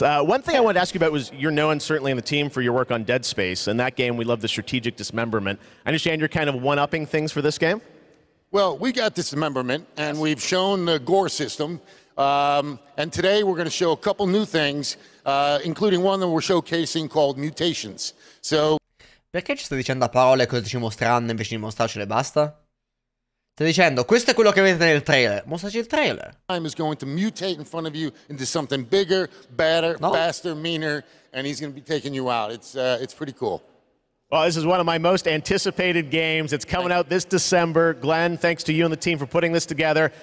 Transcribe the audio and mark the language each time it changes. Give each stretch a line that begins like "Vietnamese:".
English: One thing I wanted to ask you about was you're known certainly in the team for your work on Dead Space. In that game, we love the strategic dismemberment. I understand you're kind of one-upping things for this game? Well, we got dismemberment, and we've shown the gore system. And today, we're going to show a couple new things, including one that we're showcasing called Mutations. So,
Italian: perché ci stai dicendo a parole cosa ci mostreranno invece di mostrarcele basta? Stai dicendo, questo è quello che vedete nel trailer. Mostraci il trailer.
English: Time is going to mutate in front of you into something bigger, better, no, faster, meaner, and he's going to be taking you out. It's pretty cool. Well, this is one of my most anticipated games. It's coming out this December. Glenn, thanks to you and the team for putting this together.